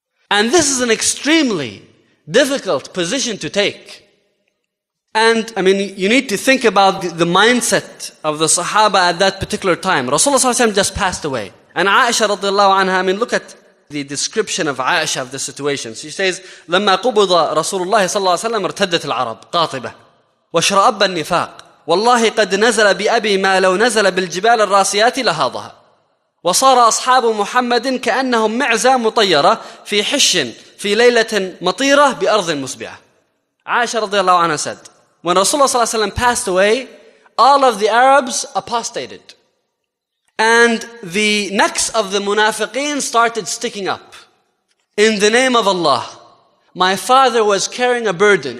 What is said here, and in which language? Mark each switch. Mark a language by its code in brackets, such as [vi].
[en] And this is an extremely difficult position to take. And I mean, you need to think about the mindset of the Sahaba at that particular time. Rasulullah sallallahu alaihi wasallam just passed away. And Aisha radiallahu anha, I mean, look at the description of Aisha of the situation. She says, [ar] لما قبض رسول الله صلى الله عليه وسلم ارتدت العرب قاطبة وشرأب النفاق والله قد نزل بأبي ما لو نزل بالجبال الراسيات لهذا وصار أصحاب محمد كأنهم معزة مطيرة في حش في ليلة مطيرة بأرض مسبعة. [en] عائشة رضي الله عنها said, when Rasulullah صلى الله عليه وسلم passed away, all of the Arabs apostated, and the necks of the munafiqeen started sticking up. In the name of Allah, my father was carrying a burden.